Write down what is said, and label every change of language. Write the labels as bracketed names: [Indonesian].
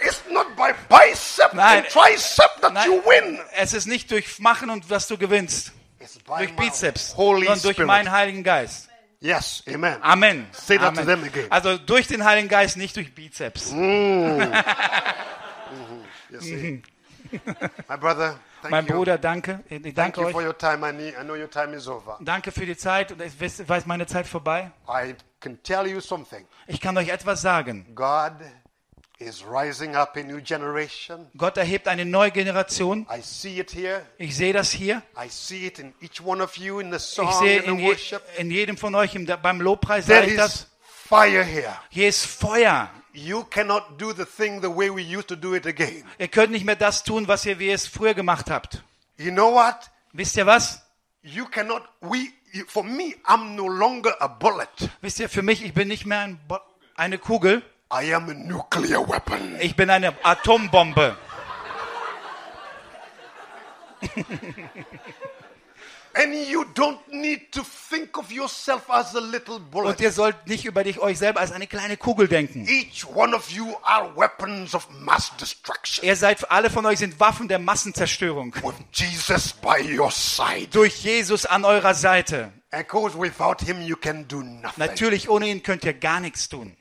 [English] It's not by bicep and tricep that you win. [German] Es ist nicht durch Machen und was du gewinnst. [English] It's by [German] durch Bizeps, [English] Holy [German] sondern durch [English] Spirit. [German] Meinen Heiligen Geist. [English] Yes, amen. [German] Amen. [English] Say that amen. To them again. [German] Also durch den Heiligen Geist, nicht durch Bizeps. Mm. [English] My brother, thank [German] mein Bruder, [English] you. [German] Danke. Ich danke [English] thank [German] euch. [English] You for your time. I know your time is over. [German] Danke für die Zeit. Und ich weiß, meine Zeit vorbei. [English] I can tell you something. [German] Ich kann euch etwas sagen. [English] God is rising up a new generation. [German] Gott erhebt eine neue Generation. [English] I see it here. [German] Ich sehe das hier. [English] I see it in each one of you in the song, [German] ich sehe [English] in the worship. [German] In jedem von euch beim Lobpreis [English] there [German] sehe ich das. [English] Is fire here. [German] Hier ist Feuer. [English] You cannot do the thing the way we used to do it again. [German] Ihr könnt nicht mehr das tun, was ihr wie es früher gemacht habt. [English] You know what? [German] Wisst ihr was? [English] You cannot. We. For me, I'm no longer a bullet. [German] Wisst ihr, für mich, ich bin nicht mehr eine Kugel. [English] I am a nuclear weapon. [German] Ich bin eine Atombombe. [English] And you don't need to think of yourself as a little bullet. [German] Und ihr sollt nicht über dich euch selber als eine kleine Kugel denken. [English] Each one of you are weapons of mass destruction. [German] Ihr seid alle von euch sind Waffen der Massenzerstörung. [English] With Jesus by your side. [German] Durch Jesus an eurer Seite. [English] And of course, without him you can do nothing. [German] Natürlich ohne ihn könnt ihr gar nichts tun.